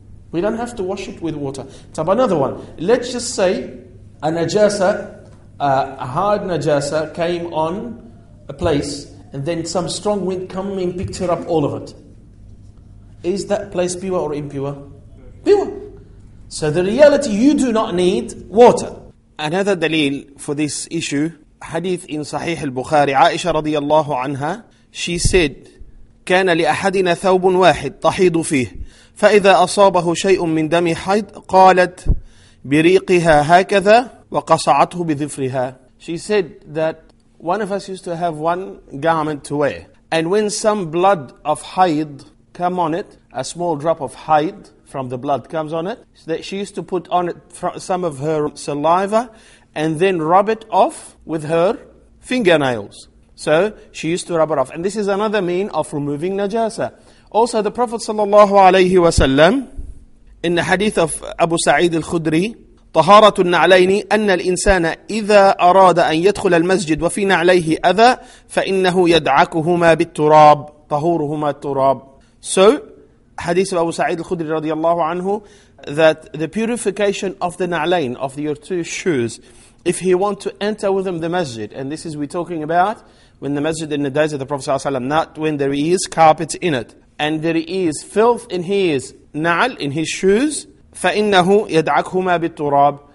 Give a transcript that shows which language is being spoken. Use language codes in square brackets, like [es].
[en] We don't have to wash it with water. Tab another one. Let's just say a najasa, a hard najasa came on a place and then some strong wind came and picked her up all of it. Is that place pure or impure? Pure. So the reality, you do not need water. Another dalil for this issue, hadith in Sahih al-Bukhari, Aisha radiyallahu anha, she said, [ar] كان لأحدنا ثوب واحد تحيض فيه فإذا أصابه شيء من دم حيض قالت بريقها هكذا وقصعته بذفرها. [en] She said that one of us used to have one garment to wear, and when some blood of hayd come on it, a small drop of hayd from the blood comes on it, that she used to put on it some of her saliva and then rub it off with her fingernails. So she used to rub it off. And this is another mean of removing najasa. Also the Prophet sallallahu alayhi wa sallam, in the hadith of Abu Sa'id al-Khudri, [ar] طَهَارَةُ النَّعْلَيْنِ أَنَّ الْإِنسَانَ إِذَا أَرَادَ أَنْ يَدْخُلَ الْمَسْجِدِ وَفِي نَعْلَيْهِ أَذَى فَإِنَّهُ يَدْعَكُهُمَا بِالتُّرَابِ طَهُورُهُمَا التُّرَابِ. [en] So hadith of Abu Sa'id al-Khudri radiallahu anhu, that the purification of the na'lain, of your two shoes, if he want to enter with them the masjid, and this is we're talking about when the masjid in the days of the Prophet ﷺ, not when there is carpet in it, and there is filth in his na'al, in his shoes, [ar] فَإِنَّهُ يَدْعَكْهُمَا بِالتُّرَابِ.